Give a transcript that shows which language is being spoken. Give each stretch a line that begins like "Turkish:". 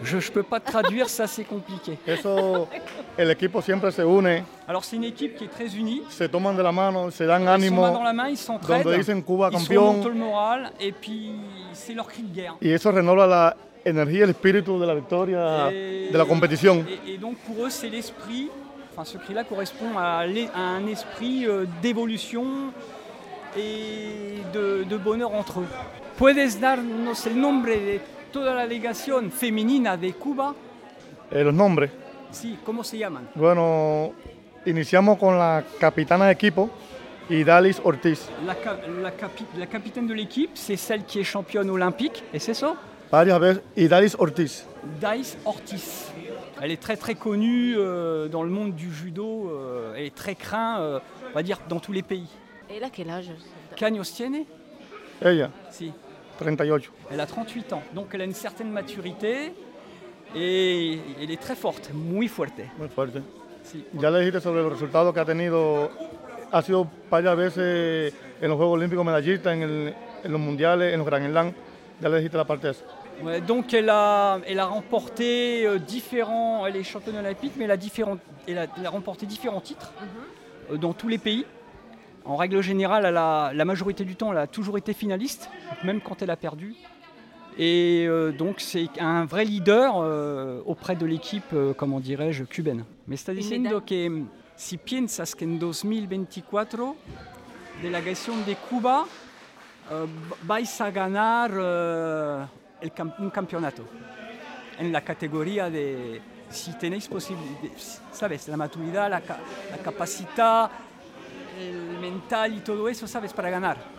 French: Je peux pas traduire, ça c'est compliqué.
Spanish: Eso, el equipo siempre se une.
French: Alors c'est une équipe qui est très unie.
Spanish: Se toman de la mano, se dan ánimo.
French: Ils sont dans la main, ils s'entraident.
Spanish: Donde dicen Cuba campeón.
French: Ils remontent le moral et puis c'est leur cri de guerre.
Spanish: Y eso renueva la energía, el espíritu de la victoria, de la competición.
French: Et donc pour eux c'est l'esprit. Enfin, ce cri-là correspond à un esprit d'évolution et de bonheur entre eux.
Spanish: ¿Puedes darnos el nombre de toda la delegación femenina de Cuba? El nombre. Sí, ¿cómo se llaman? Bueno, iniciamos con la capitana de equipo, Idalis Ortiz.
French: La capitaine de l'équipe, c'est celle qui est championne olympique,
Spanish: ¿es eso? Varias veces, Idalis Ortiz. Idalis Ortiz.
French: Elle est très très connue dans le monde du judo et très craint, on va dire, dans tous les pays. Elle a quel âge?
Spanish: Caños tiene? Ella. Si. 38.
French: Elle a 38 ans, donc elle a une certaine maturité et elle est très forte,
Spanish: muy fuerte. Muy fuerte. Si. Ya le dijiste sobre el resultado que ha tenido. Ha sido varias veces en los Juegos Olímpicos medallista, en los Mundiales, en los Grand Slam. Ya le dijiste la parte de eso.
French: Ouais, donc elle a remporté différents, elle est championne olympique, mais elle a remporté différents titres dans tous les pays. En règle générale, la majorité du temps, elle a toujours été finaliste, même quand elle a perdu. Et donc c'est un vrai leader auprès de l'équipe, comment dirais-je, cubaine.
Spanish: Mais está diciendo que si piensas que en 2024 delegación de Cuba vais a ganar un campeonato en la categoría de si tenéis posibilidad, sabes, la maturidad, la capacidad, el mental y todo eso, sabes, para ganar.